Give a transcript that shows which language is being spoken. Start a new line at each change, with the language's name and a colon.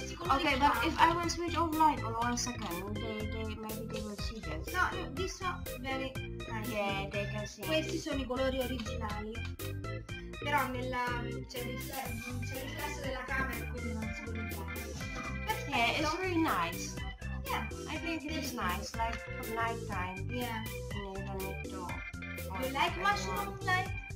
English: Okay, but if I will switch off light on 1 second, maybe they will see this. No, this one very nice. Yeah, they can see.
Italian: Questi sono i colori originali. Però nella c'è il riflesso della camera, quindi non si vede.
English: Yeah, it's really nice. Yeah, I think it is nice, like for night time. Yeah. You don't need to. You like mushroom light?